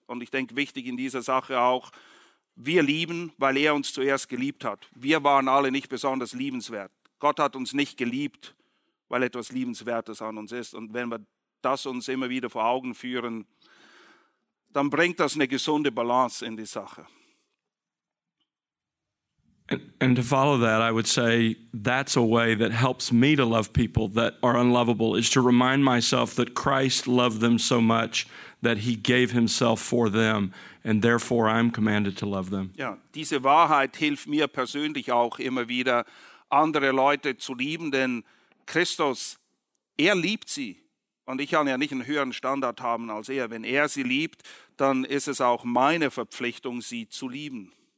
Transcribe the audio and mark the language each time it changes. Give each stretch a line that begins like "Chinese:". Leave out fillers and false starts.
German: Und ich denke, wichtig in dieser Sache auch, wir lieben, weil er uns zuerst geliebt hat. Wir waren alle nicht besonders liebenswert. Gott hat uns nicht geliebt, weil etwas Liebenswertes an uns ist. Und wenn wir das uns immer wieder vor Augen führen, dann bringt das eine gesunde Balance in die Sache.
English: And to follow that, I would say that's a way that helps me to love people that are unlovable, is to remind myself that Christ loved them so much that he gave himself for them, and therefore I'm commanded to love them.
German: Ja, diese Wahrheit hilft mir persönlich auch immer wieder, andere Leute zu lieben, denn Christus, er liebt sie. Und ich kann ja nicht einen höheren Standard haben als er. Wenn er sie liebt, dann ist es auch meine Verpflichtung, sie zu lieben.